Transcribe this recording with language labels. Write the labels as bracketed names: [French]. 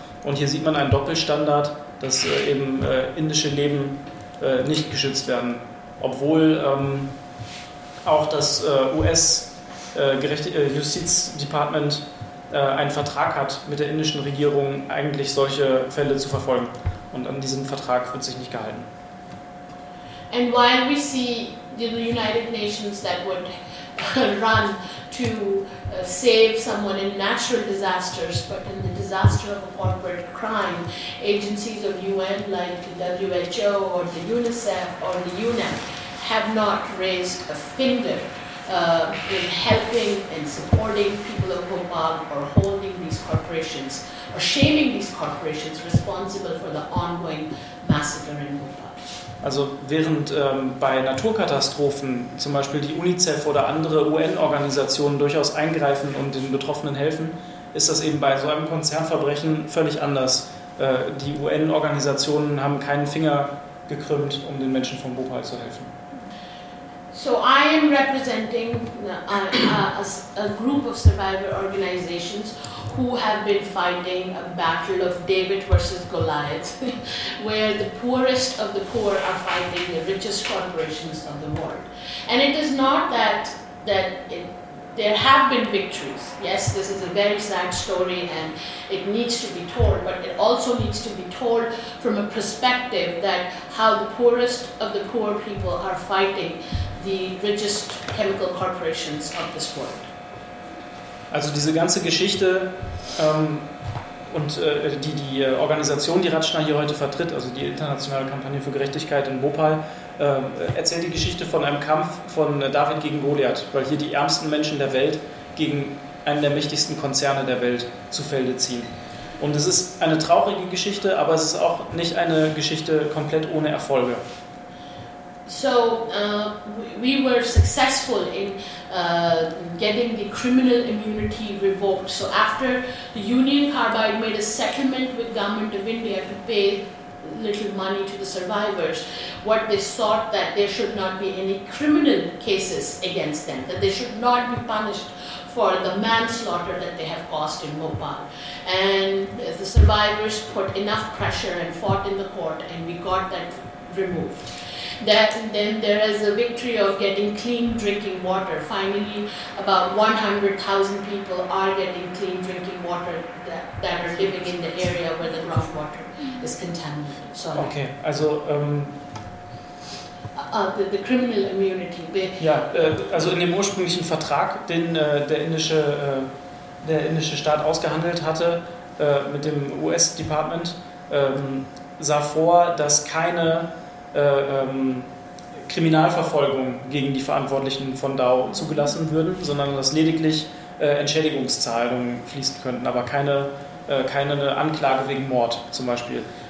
[German] Und hier sieht man einen Doppelstandard, dass eben indische Leben nicht geschützt werden, obwohl auch das US-Justizdepartement einen Vertrag hat mit der indischen Regierung, eigentlich solche Fälle zu verfolgen. Und an diesem Vertrag wird sich nicht gehalten. [English] And while we see the United Nations that would run to save someone in natural disasters, but in the disaster of a corporate crime, agencies of UN like the WHO or the UNICEF or the UNEP have not raised a finger in helping and supporting people of Bhopal or holding these corporations or shaming these corporations responsible for the ongoing massacre in Bhopal. [German] Also während bei Naturkatastrophen zum Beispiel die UNICEF oder andere UN-Organisationen durchaus eingreifen und den Betroffenen helfen, ist das eben bei so einem Konzernverbrechen völlig anders. Die UN-Organisationen haben keinen Finger gekrümmt, um den Menschen von Bhopal zu helfen. [English] So I am representing a group of survivor organizations who have been fighting a battle of David versus Goliath, where the poorest of the poor are fighting the richest corporations of the world. And it is not that there have been victories. Yes, this is a very sad story and it needs to be told, but it also needs to be told from a perspective that how the poorest of the poor people are fighting the richest chemical corporations of this world. [German] Also diese ganze Geschichte die Organisation, die Rajna hier heute vertritt, also die internationale Kampagne für Gerechtigkeit in Bhopal, erzählt die Geschichte von einem Kampf von David gegen Goliath, weil hier die ärmsten Menschen der Welt gegen einen der mächtigsten Konzerne der Welt zu Felde ziehen. Und es ist eine traurige Geschichte, aber es ist auch nicht eine Geschichte komplett ohne Erfolge. [English] So we were successful in getting the criminal immunity revoked. So after the Union Carbide made a settlement with Government of India to pay little money to the survivors, what they sought that there should not be any criminal cases against them, that they should not be punished for the manslaughter that they have caused in Bhopal. And the survivors put enough pressure and fought in the court, and we got that removed. That then there is a victory of getting clean drinking water. Finally, about 100,000 people are getting clean drinking water that are living in the area where the groundwater is contaminated. Sorry. [German] Okay, also [English] the criminal immunity. [German] Ja, also in dem ursprünglichen Vertrag, den der indische Staat ausgehandelt hatte mit dem US-Department, sah vor, dass keine Kriminalverfolgung gegen die Verantwortlichen von Dow zugelassen würden, sondern dass lediglich Entschädigungszahlungen fließen könnten, aber keine Anklage wegen Mord zum Beispiel.